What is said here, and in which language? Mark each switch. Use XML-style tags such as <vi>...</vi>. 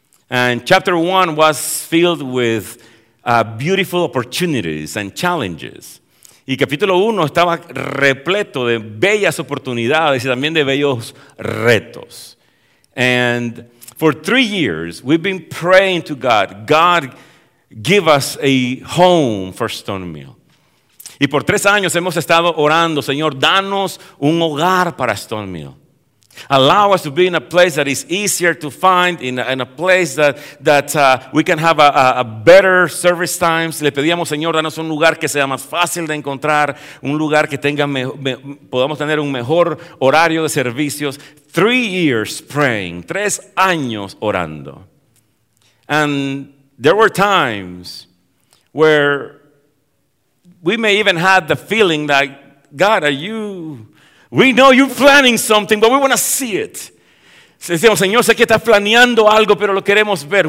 <en>And chapter 1 was filled with beautiful opportunities and challenges.</en> <es>Y capítulo 1 estaba repleto de bellas oportunidades y también de bellos retos.</es> <en>And for 3 years, we've been praying to God, God, give us a home for Stone Mill.</en> <es>Y por 3 años hemos estado orando, Señor, danos un hogar para Stone Mill.</es> <en>Allow us to be in a place that is easier to find, in a place that we can have a better service times.</en> <es>Le pedíamos, Señor, danos un lugar que sea más fácil de encontrar, un lugar que tenga podamos tener un mejor horario de servicios.</es> <en>3 years praying,</en> <es>3 años orando.</es> <en>And there were times where we may even have the feeling that, God, are you... We know you're planning something, but we want to see it.</en> <es>Decimos, Señor, sé que estás planeando algo, pero lo queremos ver.</es>